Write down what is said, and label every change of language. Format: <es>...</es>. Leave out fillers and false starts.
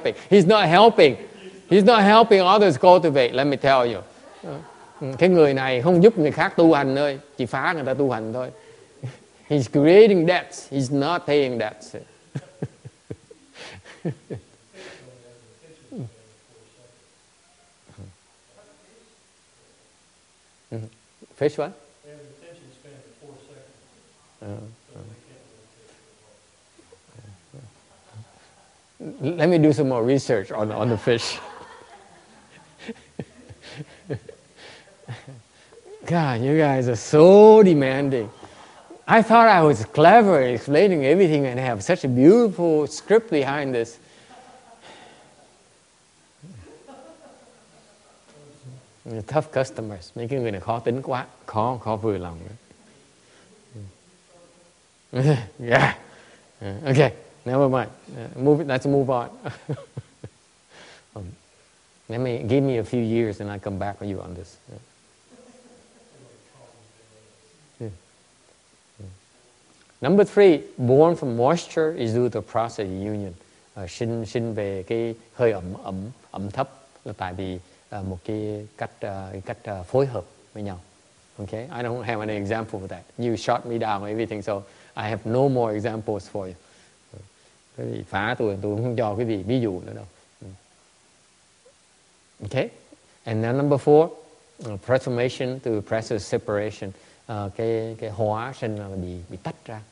<en>He's not helping others cultivate, let me tell you.</en> <vi>Cái người này không giúp người khác tu hành thôi, chỉ phá người ta tu hành thôi.</vi> <en>He's creating debts, he's not paying debts. Fish what? Let me do some more research on the fish. God, you guys are so demanding. I thought I was clever explaining everything and have such a beautiful script behind this. Tough customers, making</en> <vi>người này khó tính quá, khó vừa lòng.</vi> <en>Yeah. Okay, never mind. Let's move on. give me a few years and I come back with you on this. Number three, born from moisture is due to process of union.</en> <vi>Sinh về cái hơi ẩm thấp là tại vì một cái cách phối hợp với nhau.</vi> <en>Okay, I don't have any example for that. You shot me down everything, so I have no more examples for you.</en> <vi>Quý vị phá tôi không cho quý vị ví dụ nữa đâu.</vi> <en>Okay, and then number four, transformation to process separation.</en> <vi>Cái hóa sinh là bị tách ra.</vi>